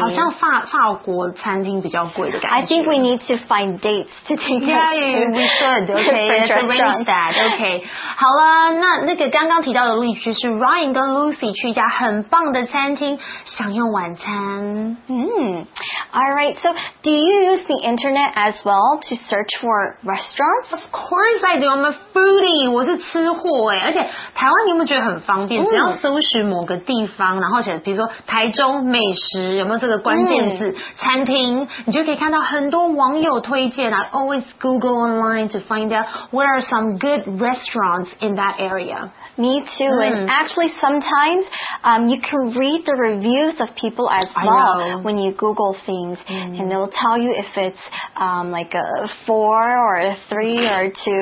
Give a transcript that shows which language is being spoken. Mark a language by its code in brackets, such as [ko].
[zh] 好像法国餐厅比较贵的感觉。 [en] I think we need to find dates to take us to. Yeah, we should. Okay, let's arrange that. Okay. [zh] 好啦，那个刚刚提到的例句是 Ryan 跟 Lucy 去一家很棒的餐厅享用晚餐。 [en] All right, so do you use the internet as well to search for restaurants? Of course I do. I'm a foodie. [zh] 我是吃货耶。而且台湾你有没有觉得很方便？只要搜寻某个地方，然后写比如说台中美食，有没有这个关键字餐厅，你就可以看到很多网友推荐。 [en] I always Google online to find out where are some good restaurants in that area. Me too. And actually, sometimes you can read the reviews of people as well when you Google things, and they'll tell you if it's like a 4 or a 3 or a 2.